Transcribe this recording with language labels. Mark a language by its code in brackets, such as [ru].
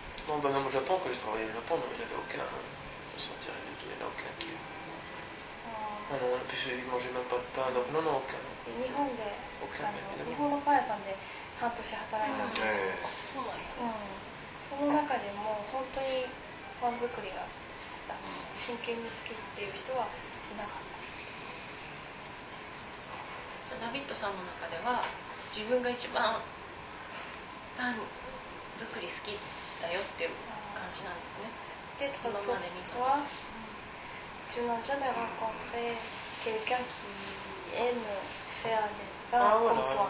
[fr] Non, ben même au Japon, quand j'ai travaillé au Japon, non, il n'y avait aucun. Je ne sentirais du tout, il n'y avait aucun qui. Non, non, puis il ne mangeait même pas de pain, donc non, non, aucun. [ja] Et 日本で、日本のパン屋さんで、半年働いたんです、その中でも本当にパン作りが真剣に好きっていう人はいなかった。ダビッドさんの中では自分が一番パン作り好きだよっていう感じなんですね。で、そのまで見たら [fr] Je n'ai jamais rencontré quelqu'un qui aime faire des pains comme toi.